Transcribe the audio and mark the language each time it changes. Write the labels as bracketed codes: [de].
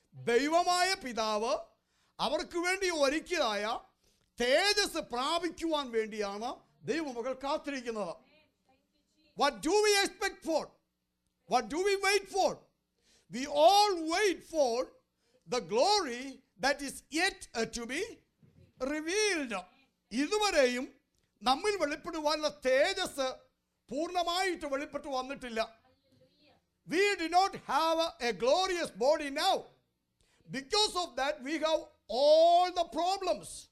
[ml] ദൈവമായ പിതാവ് അവർക്ക് വേണ്ടി ഒരുക്കിയതായ തേജസ് പ്രാപിക്കുവാൻ വേണ്ടിയാണ് ദൈവമകൾ കാത്തിരിക്കുന്നത്. [en] What do we expect for? What do we wait for? We all wait for the glory that is yet to be revealed. [ml] ഇതുവരെയും നമ്മിൽ വെളിപ്പെടുവാനുള്ള തേജസ് പൂർണ്ണമായിട്ട് വെളിപ്പെട്ടു വന്നിട്ടില്ല. [en] We do not have a glorious body now. Because of that, we have all the problems.